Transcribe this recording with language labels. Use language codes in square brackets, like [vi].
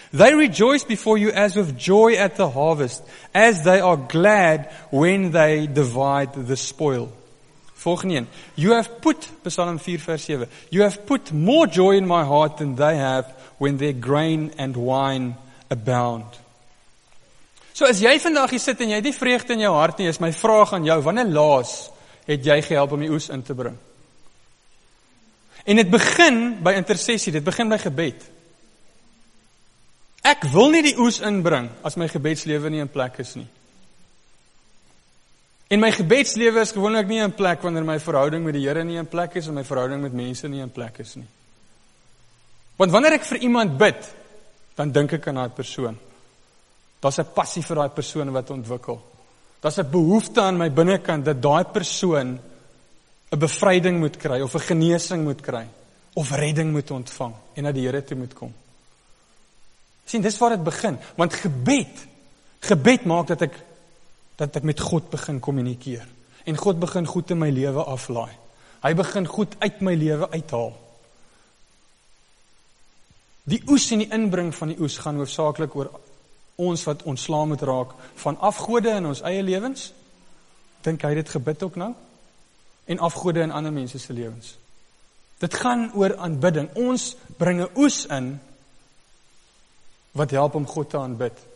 [en] They rejoice before you as with joy at the harvest, as they are glad when they divide the spoil. [af] Volgende een. [en] You have put, Psalm 4 vers 7, you have put more joy in my heart than they have when their grain and wine abound. [af] So as jy vandag hier sit en jy het nie vreugde in jou hart nie, is my vraag aan jou, wanneer laas het jy gehelp om die oes in te bring? En dit begin by intersessie, dit begin by gebed. Ek wil nie die oes inbring as my gebedslewe nie in plek is nie. En my gebedslewe is gewoonlik nie in plek wanneer my verhouding met die Here nie in plek is en my verhouding met mense nie in plek is nie. Want wanneer ek vir iemand bid, dan dink ek aan daai persoon. Daar's 'n passie vir daai persoon wat ontwikkel. Daar's 'n behoefte aan my binnekant dat daai persoon 'n bevryding moet kry of 'n genesing moet kry of redding moet ontvang en na die Here toe moet kom. Sien, dis waar dit begin, want gebed maak dat ek met God begin kommunikeer. En God begin goed in my lewe aflaai. Hy begin goed uit my lewe uithaal. Die oes en die inbring van die oes gaan hoofsaaklik oor ons wat ontslae moet raak van afgode in ons eie lewens. Dink hy dit gebid ook nou? En afgode in ander mense se lewens. Dit gaan oor aanbidding. Ons bring 'n oes in wat help om God te aanbid.